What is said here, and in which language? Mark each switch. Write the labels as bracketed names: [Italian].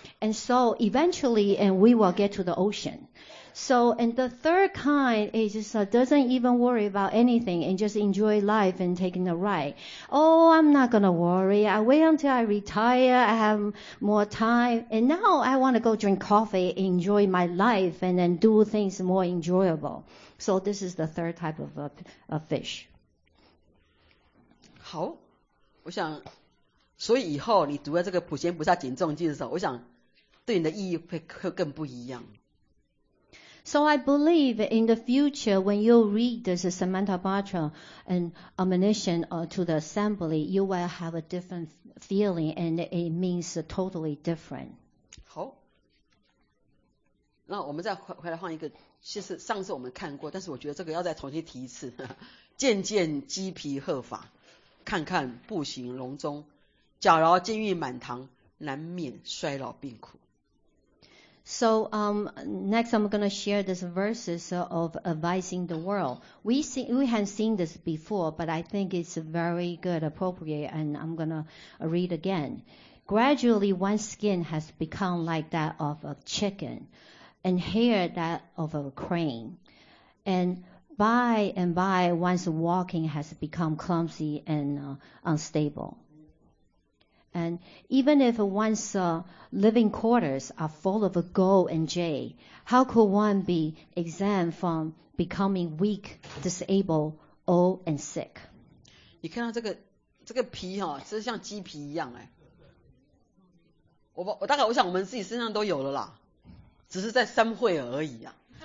[English] And so eventually, and we will get to the ocean. So, and the third kind is just doesn't even worry about anything and just enjoy life and taking a ride. Oh, I'm not going to worry. I wait until I retire. I have more time. And now I want to go drink coffee, enjoy my life, and then do things more enjoyable. So this is the third type of a fish. [Chinese] 好，我想，所以以后你读了这个普贤菩萨警钟记的时候，我想对你的意义会更不一样。 [English] So I believe in the future when you read this Samantabhadra and admonition to the assembly, you will have a different feeling and it means totally different. [Chinese] 好，那我们再回来换一个，其实上次我们看过，但是我觉得这个要再重新提一次，渐渐鸡皮鹤发，看看步行笼中，假饶金玉满堂，难免衰老病苦。 [English] So next I'm going to share this verses of advising the world. We have seen this before, but I think it's very good, appropriate, and I'm going to read again. Gradually, one's skin has become like that of a chicken, and hair that of a crane. And by, one's walking has become clumsy and unstable. And even if one's living quarters are full of gold and jade, how could one be exempt from becoming weak, disabled, old, and sick? [Chinese] 你看到这个皮哈，是像鸡皮一样哎。我大概我想我们自己身上都有了啦，只是在三会而已啊。